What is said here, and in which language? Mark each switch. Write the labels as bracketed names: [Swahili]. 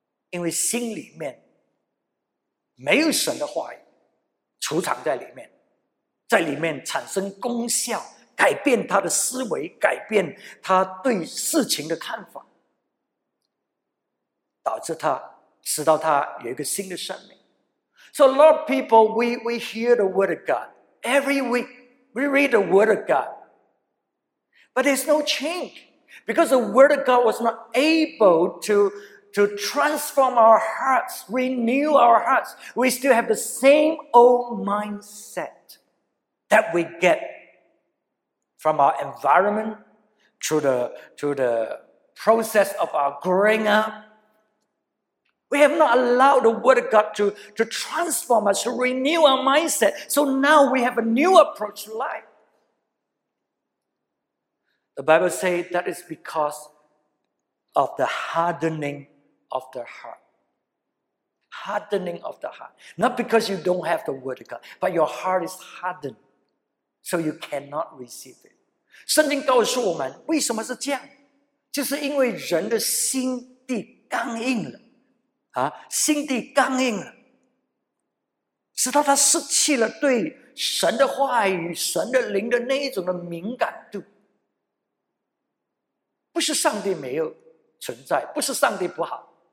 [Chinese] 因为心里面没有神的话语储藏在里面，在里面产生功效，改变他的思维，改变他对事情的看法，导致他使到他有一个新的生命。 [English] So a lot of people, we hear the word of God every week. We read the word of God, but there's no change because the word of God was not able to transform our hearts, renew our hearts. We still have the same old mindset that we get from our environment, through the process of our growing up. We have not allowed the Word of God to transform us, to renew our mindset. So now we have a new approach to life. The Bible says that is because of the hardening of the heart. Hardening of the heart. Not because you don't have the word of God, but your heart is hardened, so you cannot receive it. [Chinese] 圣经告诉我们为什么是这样?就是因为人的心地刚硬了，心地刚硬了，使到他失去了对神的话语、神的灵的那一种的敏感度。不是上帝没有存在，不是上帝不好。